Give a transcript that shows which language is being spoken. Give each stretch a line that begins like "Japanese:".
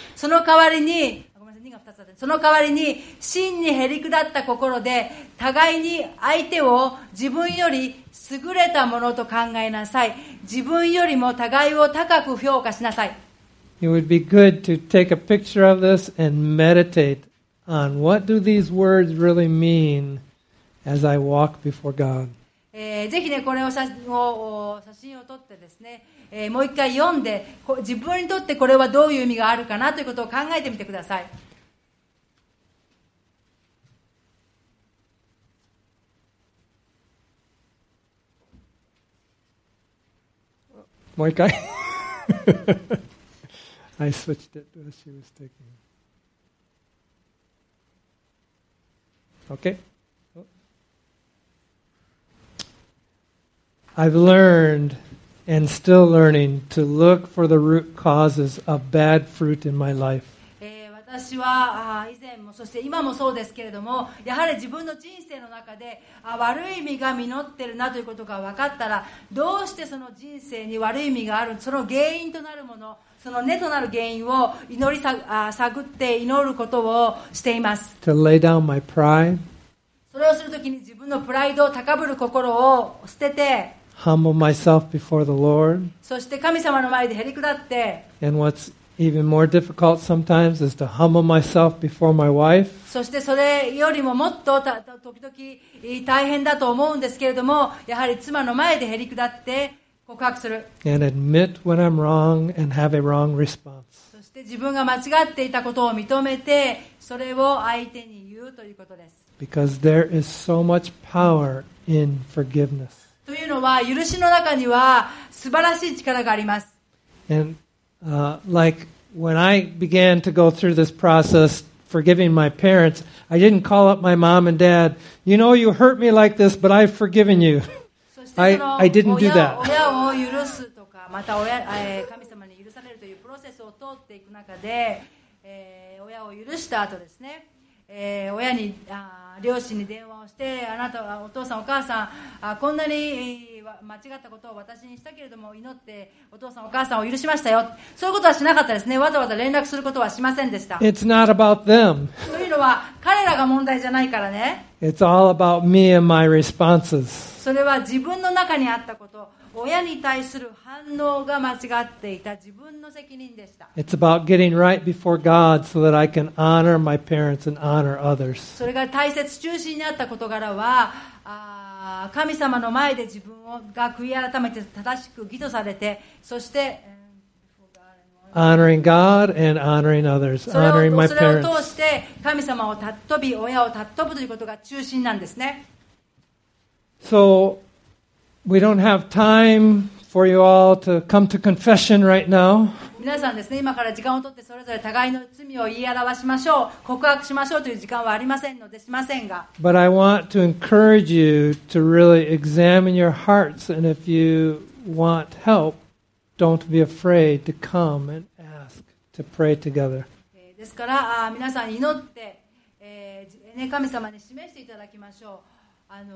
Japanese: その代わりに、その代わりに真にへりくだった心で互いに相手を自分より優れたものと考えなさい。自分よりも互いを高く評価しなさい。
English: It would be good to take a picture of this and meditate on what do these words really mean as I walk before God.
Japanese: ぜひね、これを写真を撮ってですね、もう一回読んで、自分にとってこれはどういう意味があるかなということを考えてみてください。もう一回。
English: I switched it as she was taking it. Okay. I've learned and still learning to look for the root causes of bad fruit in my life.
Japanese: 私は以前もそして今もそうですけれども、やはり自分の人生の中で悪い意味が実ってるなということが分かったら、どうしてその人生に悪い意味がある、その原因となるもの、その根となる原因を祈り探って祈ることをしています。
English: To lay down my pride.
Japanese: それをするときに自分のプライドを高ぶる心を捨てて、
English: Humble myself before the Lord.
Japanese: そして神様の前でへりくだって、
English: And what's even more difficult sometimes is to humble myself before my wife.
Japanese: そしてそれよりももっと時々大変だと思うんですけれども、やはり妻の前でへりくだって、告白する。
English: And admit when I'm wrong and have a wrong response.
Japanese: そして自分が間違っていたことを認めて、それを相手に言うということです。
English: Because there is so much power in forgiveness.
Japanese: というのは、許しの中には素晴らしい力があります。
English: And like when I began to go through this process forgiving my parents. I didn't call up my mom and dad. You know, you hurt me like this, but I've forgiven you. I didn't do that.
Japanese: 親を許すとか、また神様に許されるというプロセスを通っていく中で、親を許した後ですね、親に両親に電話をして、あなたはお父さんお母さん、こんなに間違ったことを私にしたけれども、祈ってお父さんお母さんを許しましたよ。そういうことはしなかったですね。わざわざ連絡することはしませんでした。
English: It's not about them.
Japanese: というのは彼らが問題じゃないからね。
English: It's all about me and my responses.
Japanese: それは自分の中にあったこと、親に対する反応が間違っていた自分の責任でした。
English: It's about getting right before God so that I can honor my parents and honor others.
Japanese: それが大切中心にあった事柄は、神様の前で自分が悔い改めて正しく義とされて、そして、
English: honoring God and honoring others, honoring my parents.
Japanese: それを通して神様を尊び、親を尊ぶということが中心なんですね。
English: So,We don't have time for you all to come to confession right now.
Japanese: 皆さんですね、今から時間を取ってそれぞれ互いの罪を言い表しましょう、告白しましょうという時間はありませんのでしませんが。
English: But I want to encourage you to really examine your hearts, and if you want help, don't be afraid to come and ask to pray together.
Japanese: ですから、皆さん祈って、神様に示していただきましょう。